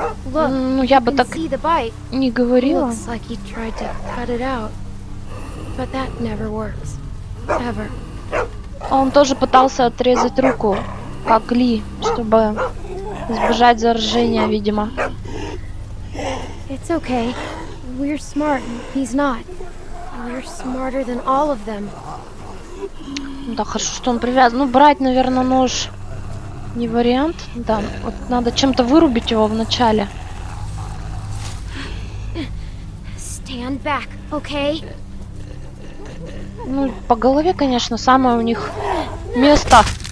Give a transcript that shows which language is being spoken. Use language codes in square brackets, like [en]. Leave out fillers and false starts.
[ru] Look, ну, я бы так не говорила. [en] Looks like he tried to cut it out. But that never works. Ever. [ru] Он тоже пытался отрезать руку, как Ли, чтобы... избежать заражения, видимо. [en] It's okay. We're smart. He's not. We're smarter than all of them. [ru] Да хорошо, что он привязан. Ну, брать, наверное, нож не вариант. Да, вот надо чем-то вырубить его вначале. [en] Stand back, okay? [ru] Ну, по голове, конечно, самое у них место.